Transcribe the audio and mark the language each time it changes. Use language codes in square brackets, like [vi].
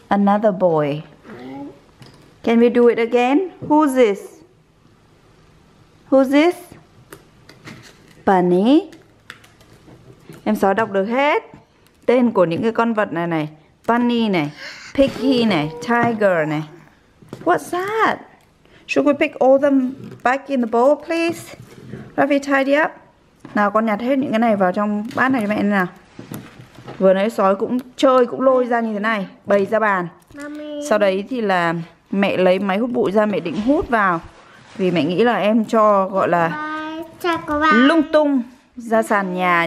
[en] Another boy. Can we do it again? Who's this? Who's this? Bunny. [vi] Em Sáu đọc được hết tên của những cái con vật này này. Bunny này, Piggy này, Tiger này. [en] What's that? Should we pick all them back in the bowl, please? Ravi, tidy up. [vi] Nào, con nhặt hết những cái này vào trong bát này cho mẹ nào. Vừa nãy Sói cũng chơi, cũng lôi ra như thế này, bày ra bàn. Mami. Sau đấy thì là mẹ lấy máy hút bụi ra, mẹ định hút vào. Vì mẹ nghĩ là em cho gọi là lung tung ra sàn nhà.